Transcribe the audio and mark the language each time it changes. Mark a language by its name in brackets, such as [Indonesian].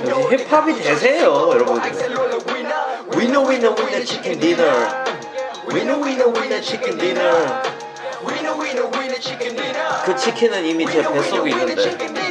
[Korean] 힙합이 대세예요, 여러분들. [English] We know we know we know chicken dinner. We know we know we know chicken dinner. We know we know we know chicken dinner. [Korean] 그 치킨은 이미 제 뱃속에 있는데.